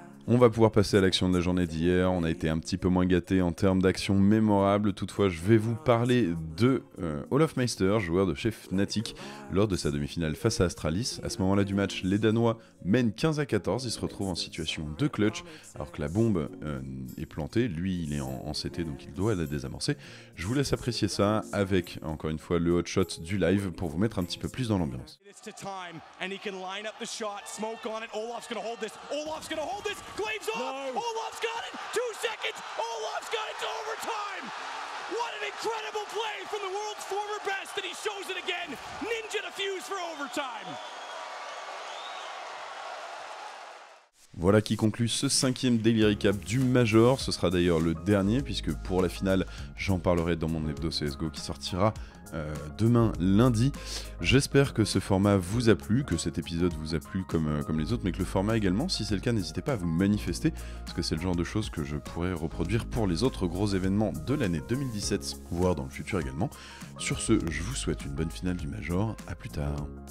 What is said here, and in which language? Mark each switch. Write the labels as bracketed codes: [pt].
[fr] On va pouvoir passer à l'action de la journée d'hier, on a été un petit peu moins gâté en termes d'action mémorable, toutefois je vais vous parler de Olofmeister, joueur de chez Fnatic, lors de sa demi-finale face à Astralis. À ce moment-là du match, les Danois mènent 15-14, ils se retrouvent en situation de clutch, alors que la bombe est plantée, lui il est en CT donc il doit la désamorcer. Je vous laisse apprécier ça avec, encore une fois, le hot shot du live pour vous mettre un petit peu plus dans l'ambiance. [en] To time and he can line up the shot, smoke on it. Olaf's gonna hold this. Glaives off. No. Olaf's got it. 2 seconds. Olaf's got it to overtime. What an incredible play from the world's former best, and he shows it again. Ninja defuse for overtime. [fr] Voilà qui conclut ce cinquième Daily Recap du Major. Ce sera d'ailleurs le dernier, puisque pour la finale, j'en parlerai dans mon hebdo CSGO qui sortira demain lundi. J'espère que ce format vous a plu, que cet épisode vous a plu comme les autres, mais que le format également, si c'est le cas, n'hésitez pas à vous manifester, parce que c'est le genre de choses que je pourrais reproduire pour les autres gros événements de l'année 2017, voire dans le futur également. Sur ce, je vous souhaite une bonne finale du Major, à plus tard.